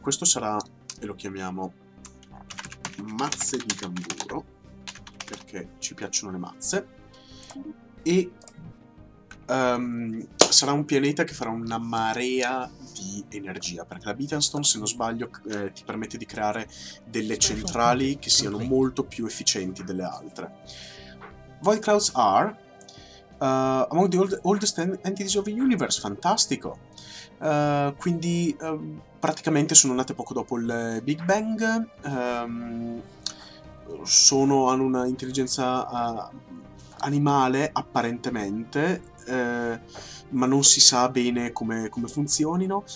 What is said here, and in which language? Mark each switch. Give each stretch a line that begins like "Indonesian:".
Italian: Questo sarà, e lo chiamiamo, mazze di tamburo, perché ci piacciono le mazze. E sarà un pianeta che farà una marea di energia, perché la Betanstone, se non sbaglio, ti permette di creare delle centrali che siano molto più efficienti delle altre.
English: Void Clouds are among the oldest entities of the universe.
Italian: Fantastico. Quindi praticamente sono nate poco dopo il Big Bang, hanno una intelligenza animale apparentemente, ma non si sa bene come funzionino.